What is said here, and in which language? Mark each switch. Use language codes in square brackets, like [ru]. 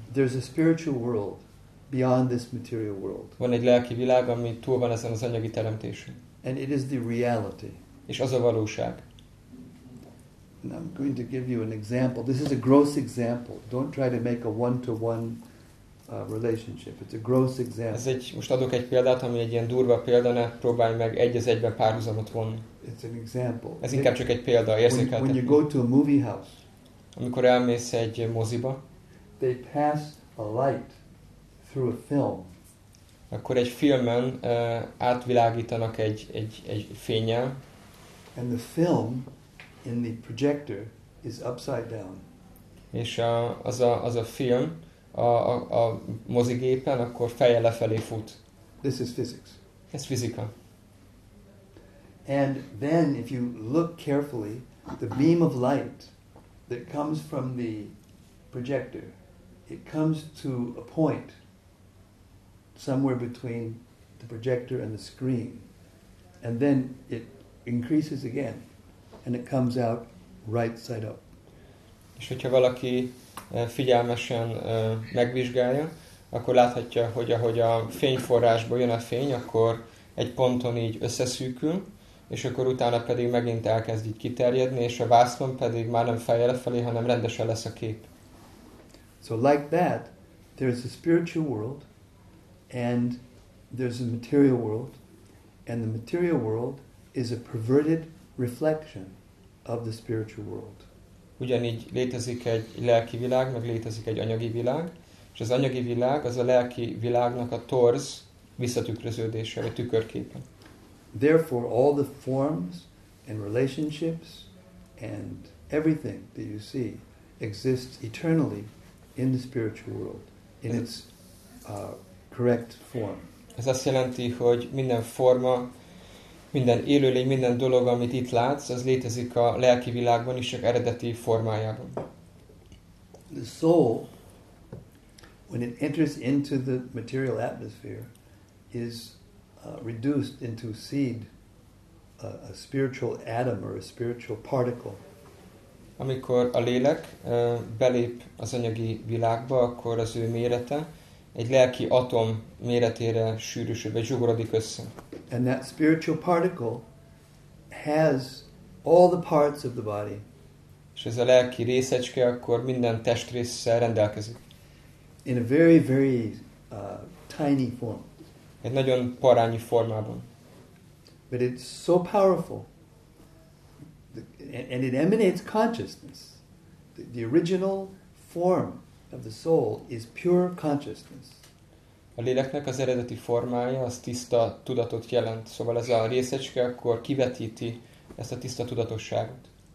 [en] There's a spiritual world beyond this material world. [hu] Van egy lelki világ, ami túl van ezen az anyagi teremtésen. [en] And it is the reality. [hu] És az a valóság. [en] And I'm going to give you an example. This is a gross example. Don't try to make a one-to-one relationship. It's a gross example. [hu] Ez egy, most adok egy példát, ami egy ilyen durva példa, ne próbálj meg egy az egyben párhuzamot vonni. [en] It's an example. [hu] Ez inkább csak egy példa, érzékeltetni. [en] When you go to a movie house, [hu] amikor elmész egy moziba, [en] they pass a light through a film. [hu] Akkor egy filmen átvilágítanak egy fénnyel. [en] And the film in the projector is upside down. [hu] És az a film a mozigépen akkor fejjel lefelé fut. [en] This is physics. [hu] Ez fizika. [en] And then if you look carefully, the beam of light that comes from the projector, it comes to a point somewhere between the projector and the screen, and then it increases again. and it comes out right side up. [hu] És hogyha valaki figyelmesen megvizsgálja, akkor láthatja, hogy ahogy a fényforrásból jön a fény, akkor egy ponton így összeszűkül, és akkor utána pedig megint elkezd így kiterjedni, és a vászlon pedig már nem fejje lefelé, hanem rendesen lesz a kép. [en] So like that, there's a spiritual world, and there's a material world, and the material world is a perverted reflection of the spiritual world. [hu] Ugyanígy létezik egy lelki világ, meg létezik egy anyagi világ, és az anyagi világ az a lelki világnak a torz visszatükröződése, vagy tükörképe. [en] Therefore, all the forms and relationships and everything that you see exists eternally in the spiritual world, in its correct form. [hu] Ez azt jelenti, hogy minden forma, minden élőlény, minden dolog, amit itt látsz, az létezik a lelki világban is, csak eredeti formájában. [en] The soul, when it enters into the material atmosphere, is reduced into seed, a spiritual atom or a spiritual particle. [hu] Amikor a lélek belép az anyagi világba, akkor az ő mérete egy lelki atom méretére sűrűsödik, vagy zsugorodik össze. [en] And that spiritual particle has all the parts of the body. [hu] És ez a lelki részecske akkor minden testrésszel rendelkezik. [en] In a very, very tiny form. [hu] Egy nagyon parányi formában. [en] But it's so powerful. And it emanates consciousness. The original form of the soul is pure consciousness. [hu] A léleknek az eredeti formája az tiszta tudatot jelent. Szóval ez a részecske akkor kivetíti ezt a tiszta tudatosságot.